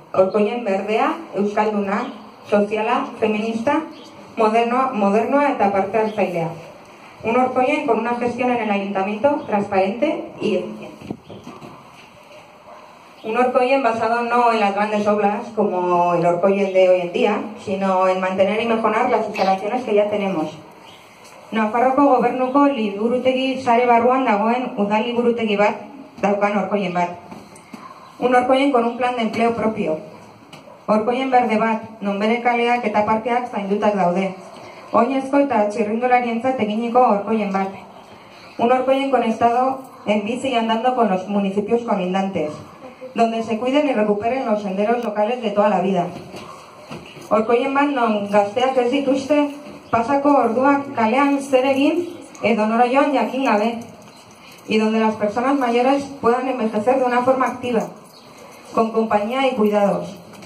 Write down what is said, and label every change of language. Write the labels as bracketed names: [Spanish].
[Basque] Orkoiñen berdea, euskalduna, soziala, feminista, modernoa eta parte hartzailea. [Spanish] Un Orkoiñen con una gestión en el ayuntamiento transparente y eficiente. Un Orkoiñen basado no en las grandes obras como el Orkoiñen de hoy en día, sino en mantener y mejorar las instalaciones que ya tenemos. [Basque] Nafarroko gobernuko liburutegi sare barruan dagoen udal liburutegi bat daukan Orkoiñen bat. [Spanish] Un Orkoiñen con un plan de empleo propio. [Basque] Orkoiñen berde bat, non bere kaleak eta parkeak zaindutak daude. Oinezko eta txirrindularientzat eginiko Orkoiñen bat. [Spanish] Un Orkoiñen conectado en bici y andando con los municipios colindantes, donde se cuiden y recuperen los senderos locales de toda la vida. [Basque] Orkoiñen bat non gazteak ez dituzte pasako orduak kalean zer egin edo nora joan jakin gabe, [Spanish] y donde las personas mayores puedan envejecer de una forma activa, con compañía y cuidados.